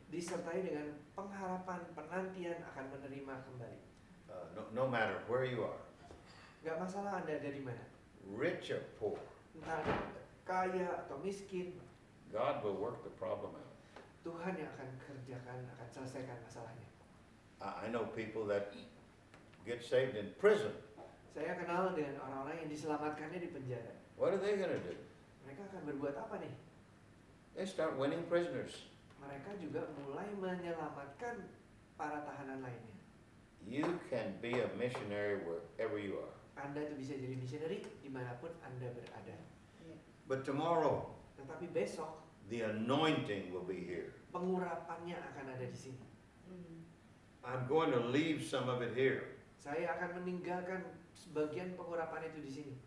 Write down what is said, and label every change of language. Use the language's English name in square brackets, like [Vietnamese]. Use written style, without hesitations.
[Indonesian] Disertai dengan pengharapan penantian akan menerima kembali. [English] No matter where you are. [Indonesian] Gak masalah Anda dari mana. [English] Rich or poor. [Indonesian] Entah kaya atau miskin. [English] God will work the problem out. [Indonesian] Tuhan yang akan kerjakan, akan selesaikan masalahnya. [English] I know people that get saved in prison. [Indonesian] Saya kenal dengan orang-orang yang diselamatkannya di penjara. [English] What are they gonna do? [Indonesian] Mereka akan berbuat apa nih? [English] They start winning prisoners. [Indonesian] Mereka juga mulai menyelamatkan para tahanan lainnya. [English] You can be a missionary wherever you are. [Indonesian] Anda tuh bisa jadi missionary dimanapun Anda berada. [English] But tomorrow. [Indonesian] Tetapi besok. [English] The anointing will be here. [Indonesian] Pengurapannya akan ada di sini. [English] I'm going to leave some of it here. [Indonesian] Saya akan meninggalkan sebagian pengurapan itu di sini.